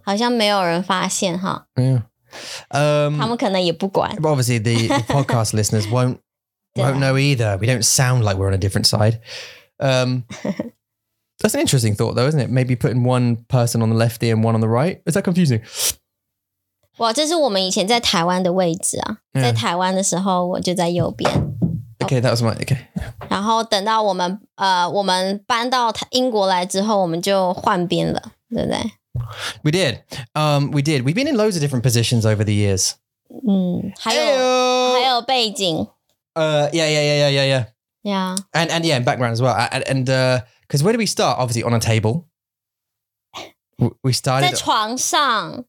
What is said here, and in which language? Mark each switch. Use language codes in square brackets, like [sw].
[zh] 好像没有人发现哈。 [en] Yeah. [zh] 他们可能也不管。 [en] But obviously, the podcast listeners won't know either. We don't sound like we're on a different side. that's an interesting thought though, isn't it? Maybe putting one person on the left ear and one on the right. Is that confusing? [zh] Wow, 这是我们以前在台湾的位置啊。在台湾的时候我就在右边。 [en] Okay, that was my, okay. [zh] 然后等到我们搬到英国来之后我们就换边了，对不对？ [en] We did. We did. We've been in loads of different positions over the years. [zh] 嗯，还有背景。 [en] Yeah. Yeah. And yeah, background as well. And because where do we start? Obviously on a table. We started [zh] 在床上。